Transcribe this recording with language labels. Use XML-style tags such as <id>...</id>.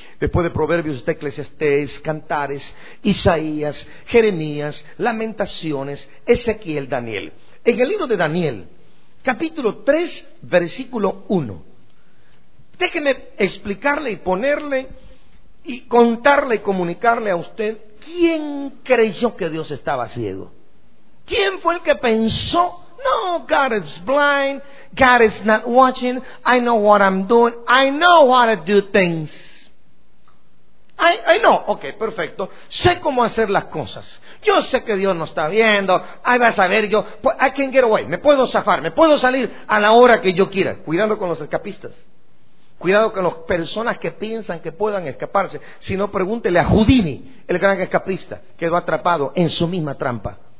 <es>Después de Proverbios está Eclesiastés, Cantares, Isaías, Jeremías, Lamentaciones, Ezequiel, Daniel. En el libro de Daniel, capítulo 3, versículo 1. Déjeme explicarle y ponerle y contarle y comunicarle a usted quién creyó que Dios estaba ciego. ¿Quién fue el que pensó?</es> <en>No, God is blind, God is not watching, I know what I'm doing, I know how to do things. I know, ok,</en> <es>perfecto, sé cómo hacer las cosas, yo sé que Dios no está viendo, ahí vas a ver, yo,</es> <en>I can get away,</en> <es>me puedo zafar, me puedo salir a la hora que yo quiera. Cuidado con los escapistas, cuidado con las personas que piensan que puedan escaparse, si no pregúntele a Houdini, el gran escapista, quedó atrapado en su misma trampa.</es>